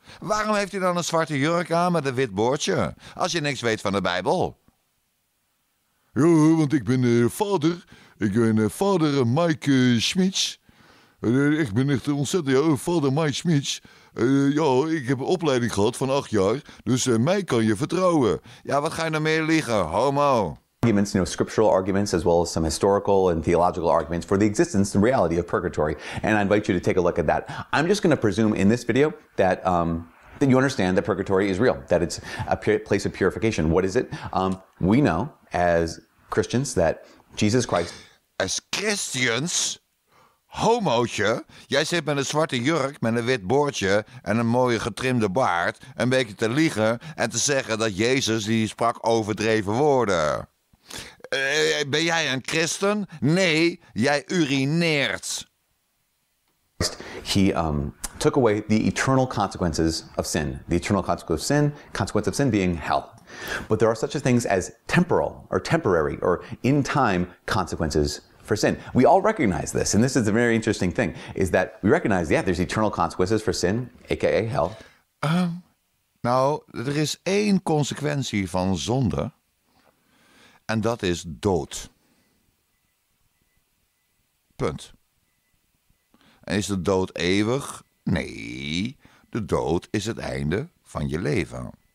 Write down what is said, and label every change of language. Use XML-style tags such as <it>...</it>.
<nl>Waarom heeft hij dan een zwarte jurk aan met een wit boordje? Als je niks weet van de Bijbel. Ja, want ik ben vader. Ik ben vader Mike Schmitz. Ik ben echt ontzettend, vader Mike Schmitz. Ik heb een opleiding gehad van 8 jaar, dus mij kan je vertrouwen. Ja, wat ga je nou meer liegen, homo?</nl> <en>arguments, you know, scriptural arguments, as well as some historical and theological arguments for the existence and reality of purgatory. And I invite you to take a look at that. I'm just going to presume in this video that that you understand that purgatory is real, that it's a place of purification. What is it? We know as Christians that Jesus Christ... As Christians?</en> <nl>Homootje, jij zit met een zwarte jurk, met een wit boordje en een mooie getrimde baard een beetje te liegen en te zeggen dat Jezus die sprak overdreven woorden. Ben jij een christen? Nee, jij urineert.</nl> <en>He took away the eternal consequences of sin. The eternal consequence of sin being hell. But there are such a things as temporal or temporary or in time consequences for sin. We all recognize this, and this is a very interesting thing, is that we recognize, yeah, there's eternal consequences for sin, a.k.a. hell.</en> <nl>Nou, er is één consequentie van zonde, en dat is dood. Punt. En is de dood eeuwig? Nee, de dood is het einde van je leven.</nl>